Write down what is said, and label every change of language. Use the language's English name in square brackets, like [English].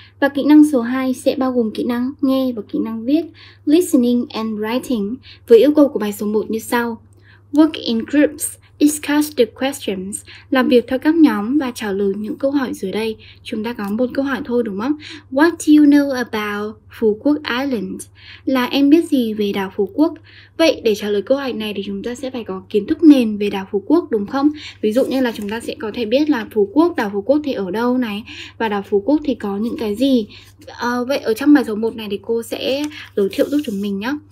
[Vietnamese] Và kỹ năng số 2 sẽ bao gồm kỹ năng nghe và kỹ năng viết, [English] listening and writing, [Vietnamese] với yêu cầu của bài số 1 như sau. [English] Work in groups, discuss the questions, [Vietnamese] làm việc theo các nhóm và trả lời những câu hỏi dưới đây. Chúng ta có một câu hỏi thôi đúng không? [English] What do you know about Phú Quốc Island? [Vietnamese] Là em biết gì về đảo Phú Quốc? Vậy để trả lời câu hỏi này thì chúng ta sẽ phải có kiến thức nền về đảo Phú Quốc đúng không? Ví dụ như là chúng ta sẽ có thể biết là Phú Quốc, đảo Phú Quốc thì ở đâu này? Và đảo Phú Quốc thì có những cái gì? Vậy ở trong bài số 1 này thì cô sẽ giới thiệu giúp chúng mình nhé.